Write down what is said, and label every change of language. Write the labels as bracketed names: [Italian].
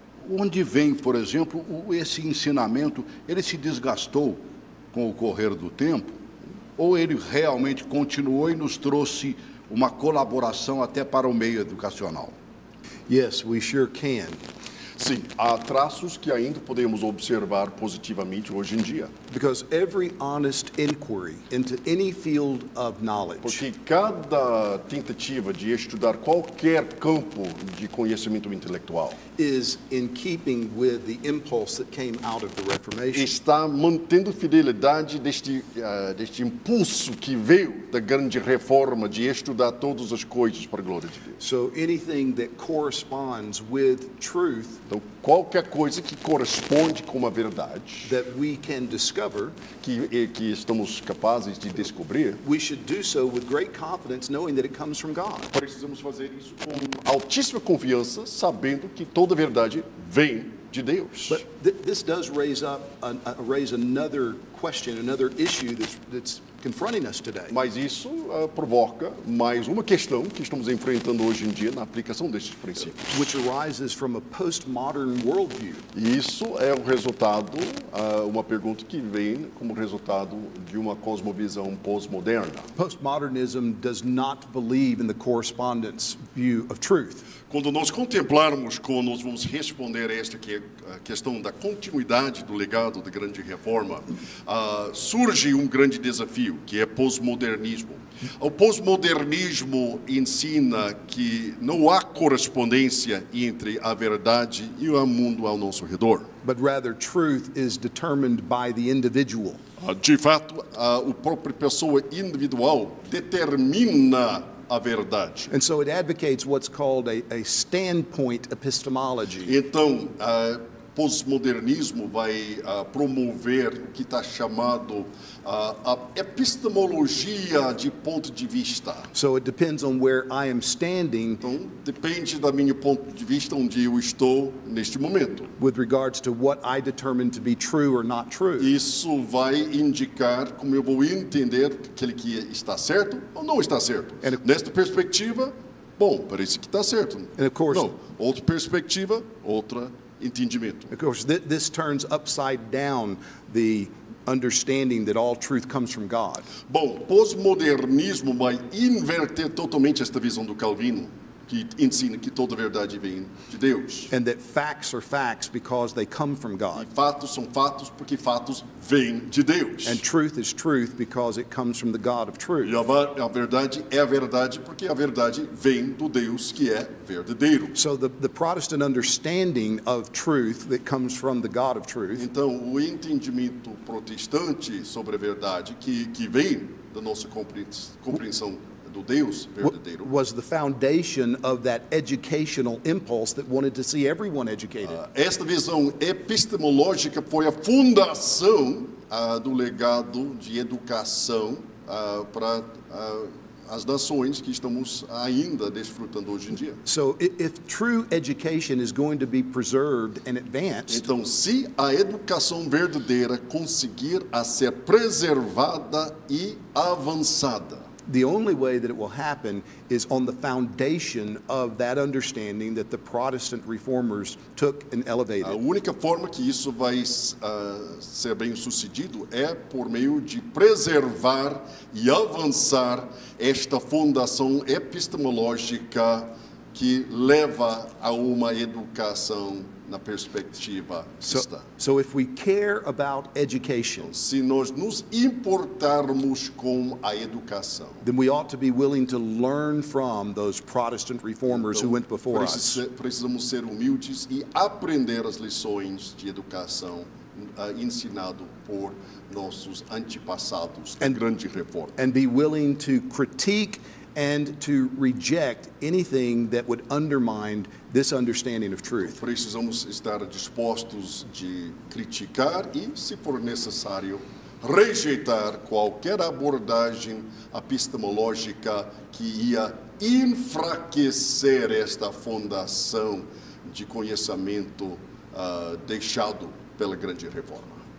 [Portuguese] Onde vem, por exemplo, esse ensinamento? Ele se desgastou com o correr do tempo? Ou ele realmente continuou e nos trouxe uma colaboração até para o meio educacional? [English] Yes, we sure can. [Portuguese] Sim, há traços que ainda podemos observar positivamente hoje em dia. [English] Because every honest inquiry into any field of knowledge. [Portuguese] Porque cada tentativa de estudar qualquer campo de conhecimento intelectual [English] is in keeping with the impulse that came out of the Reformation. [Portuguese] Está mantendo fidelidade deste impulso que veio da grande reforma de estudar todas as coisas para a glória de Deus. [English] So anything that corresponds with truth. [Portuguese] Então, qualquer coisa que corresponde com a verdade [English] that we can discover, [Portuguese] que estamos capazes de descobrir, [English] we should do so with great confidence, knowing that it comes from God. [Portuguese] Precisamos fazer isso com altíssima confiança, sabendo que toda a verdade vem de Deus. [English] But this does raise another question, another issue that's confronting us today. [Portuguese] Mas isso provoca mais uma questão que estamos enfrentando hoje em dia na aplicação destes princípios. [English] Which arises from a postmodern worldview. [Portuguese] Isso é o resultado, uma pergunta que vem como resultado de uma cosmovisão pós-moderna. [English] Postmodernism does not believe in the correspondence view of truth. [Portuguese] Quando nós contemplarmos como nós vamos responder a esta questão da continuidade do legado da grande reforma, surge um grande desafio, que é pós-modernismo. O pós-modernismo ensina que não há correspondência entre a verdade e o mundo ao nosso redor. [English] But rather, truth is determined by the individual. [Portuguese] De fato, a própria pessoa individual determina a verdade. [English] And so it advocates what's called a standpoint epistemology. [Portuguese] Então, pós-modernismo vai promover o que está chamado a epistemologia de ponto de vista. [English] So it depends on where I am standing. [Portuguese] Então, depende da minha ponto de vista onde eu estou neste momento. [English] With regards to what I determine to be true or not true. [Portuguese] Isso vai indicar como eu vou entender aquele que está certo ou não está certo. Nesta perspectiva, bom, parece que está certo. [English] And of course, [Portuguese] não, outra perspectiva, outra entendimento. [English] Of course, this turns upside down the understanding that all truth comes from God. [Portuguese] Bom, pós-modernismo vai inverter totalmente esta visão do Calvino, que ensina que toda a verdade vem de Deus. [English] And that facts are facts because they come from God. [Portuguese] E fatos são fatos porque fatos vêm de Deus. [English] And truth is truth because it comes from the God of truth. [Portuguese] E a verdade é a verdade porque a verdade vem do Deus que é verdadeiro. [English] So the Protestant understanding of truth that comes from the God of truth. [Portuguese] Então, o entendimento protestante sobre a verdade que vem da nossa compreensão do Deus verdadeiro [English] was the foundation of that educational impulse that wanted to see everyone educated. [Portuguese] Esta visão epistemológica foi a fundação do legado de educação para as nações que estamos ainda desfrutando hoje em dia. [English] So if true education is going to be preserved and advanced, [Portuguese] então se a educação verdadeira conseguir a ser preservada e avançada, [English] the only way that it will happen is on the foundation of that understanding that the Protestant reformers took and elevated. [Portuguese] A única forma que isso vai ser bem sucedido é por meio de preservar e avançar esta fundação epistemológica que leva a uma educação na perspectiva cristã. [English] So if we care about education, [Portuguese] então, se nós nos importarmos com a educação, [English] then we ought to be willing to learn from those Protestant reformers [Portuguese] então, [English] who went before us. [Portuguese] Precisamos ser humildes e aprender as lições de educação ensinado por nossos antepassados da grande reforma. [English] And be willing to critique and to reject anything that would undermine this understanding of truth. [Portuguese] Precisamos estar dispostos de criticar e, se for necessário, rejeitar qualquer abordagem epistemológica que ia enfraquecer esta fundação de conhecimento deixado pela grande reforma.